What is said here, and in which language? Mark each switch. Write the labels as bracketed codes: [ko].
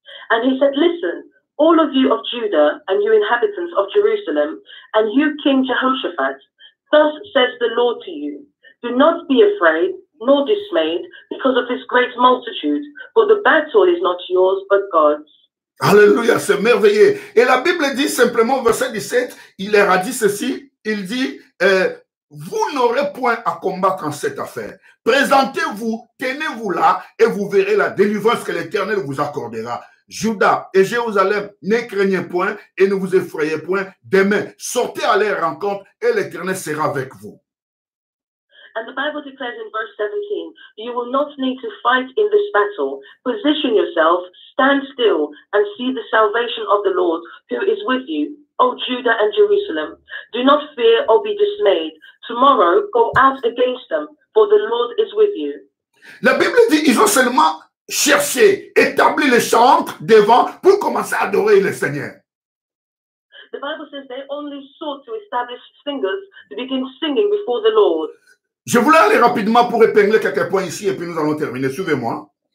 [en] And he said, listen, all of you of Judah and you inhabitants of Jerusalem and you King Jehoshaphat, thus says the Lord to you, do not be afraid, nor dismayed because of this great multitude, for the battle is not yours but God's. [fr] Alléluia, c'est merveilleux. Et la Bible dit simplement, verset 17, il leur a dit ceci, il dit, vous n'aurez point à combattre en cette affaire. Présentez-vous, tenez-vous là, et vous verrez la délivrance que l'Éternel vous accordera. Juda et Jérusalem, ne craignez point et ne vous effrayez point. Demain, sortez à leur rencontre et l'Éternel sera avec vous. [en] And the Bible declares in verse 17, you will not need to fight in this battle. Position yourself, stand still, and see the salvation of the Lord who is with you, O Judah and Jerusalem. Do not fear or be dismayed. Tomorrow, go out against them, for the Lord is with you. [fr] La Bible dit, ils ont seulement cherché, établi les chantres devant pour commencer à adorer le Seigneur. [en] The Bible says they only sought to establish singers to begin singing before the Lord. [fr] Je voulais aller rapidement pour épingler quelques points ici et puis nous allons terminer. Suivez-moi.